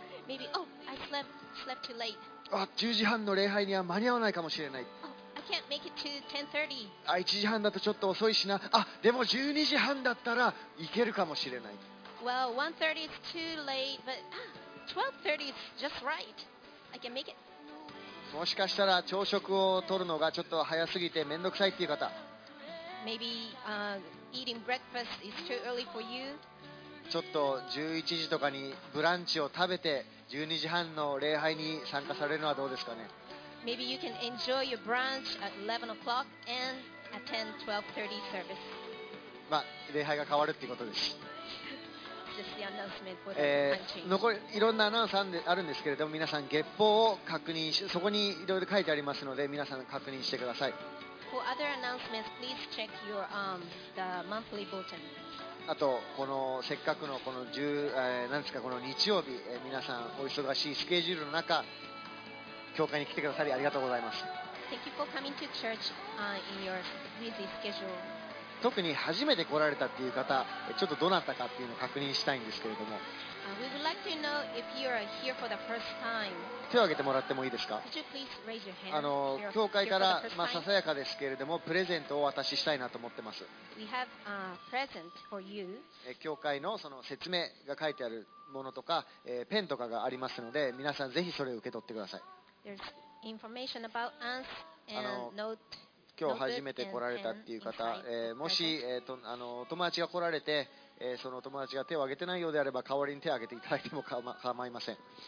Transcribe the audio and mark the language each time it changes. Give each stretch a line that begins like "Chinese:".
English: Maybe, oh, I slept too late.
Japanese: あ10時半の礼拝には間に合わないかもしれない、
English: Can't make it to 10:30.
Japanese: 1時半だとちょっと遅いしな。あ、でも12時半だったら行けるかもしれない。
English: Well, 1:30 is too late, but 12:30 is just right. I can make it.
Japanese: もしかしたら朝食を取るのがちょっと早すぎてめんどくさいっていう方。
English: Maybe, eating breakfast is too early for you.
Japanese: ちょっと11時とかにブランチを食べて12時半の礼拝に参加されるのはどうですかね。
English: Maybe you can enjoy your brunch at 11 o'clock and attend 12:30 service.
Japanese: まあ礼拝が変わるっていうことです。
English: Just the announcement for the change.
Japanese: 残りいろんなアナウンスあるんですけれども、皆さん月報を確認し、そこにいろいろ書いてありますので、皆さん確認してください。
English: For other announcements, please check your the monthly bulletin.
Japanese: あとこのせっかくのこの何ですか、この日曜日、皆さんお忙しいスケジュールの中。教会に来てくださりありがとうございます。
English: Thank you for coming to church, in your busy schedule.
Japanese: 特に初めて来られたっていう方、ちょっとどなたかっていうのを確認したいんですけれども。
English: We would like to know if you are here for the first time.
Japanese: 手を挙げてもらってもいいですか。
English: Could you please raise your hand?
Japanese: あの教会から、まあ、ささやかですけれどもプレゼントをお渡ししたいなと思ってます。
English: We have a present for you.
Japanese: 教会のその説明が書いてあるものとか、ペンとかがありますので、皆さんぜひそれを受け取ってください。
English: There's information about us and note,
Japanese: 今日初めて来られたっていう方、もし、あの友達が来られて、その友達が手を挙げてないようであれば代わりに手を挙げていただいても構いません。